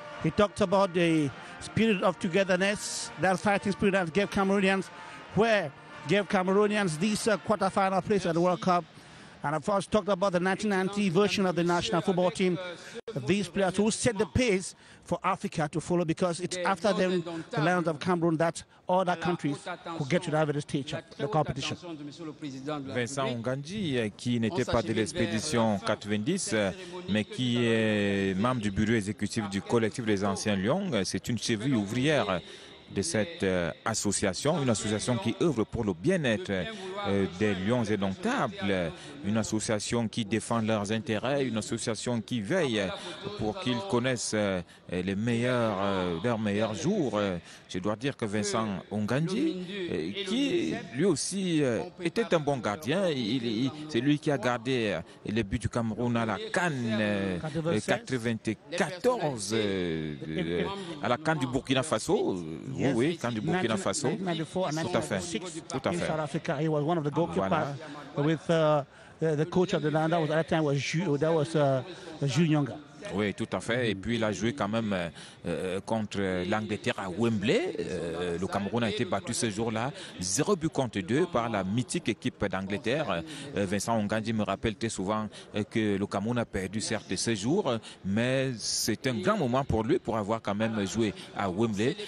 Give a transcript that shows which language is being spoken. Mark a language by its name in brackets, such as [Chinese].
[English] He talked about the spirit of togetherness, that fighting spirit that gave Cameroonians this quarterfinal place at the World Cup. And of course, talked about the 1990 version of the national football team. These players who set the pace for Africa to follow, because it's after them, the Lions of Cameroon, that all the countries who get to the average stage of the competition. [French] Vincent Onganzi, qui n'était pas de l'expédition 90, mais qui est membre du bureau exécutif du collectif des anciens Lions, c'est une cheville ouvrière de cette association, une association qui œuvre pour le bien-être des lions indomptables, une association qui défend leurs intérêts, une association qui veille pour qu'ils connaissent leurs meilleurs jours. Je dois dire que Vincent Onganzi, qui lui aussi était un bon gardien, c'est lui qui a gardé le but du Cameroun à la CAN 94, à la CAN du Burkina Faso. Oui, oui, CAN du Burkina Faso. Tout à fait. Tout à fait. [English] South Africa, he was one of the goalkeepers with the coach of the land. That was at that time was Jules Nyonga. [French] Oui, tout à fait. Et puis, il a joué quand même contre l'Angleterre à Wembley. Le Cameroun a été battu ce jour-là, 0 but contre 2 par la mythique équipe d'Angleterre. Vincent Ongandi me rappelle très souvent que le Cameroun a perdu, certes, ce jour, mais c'est un grand moment pour lui pour avoir quand même joué à Wembley.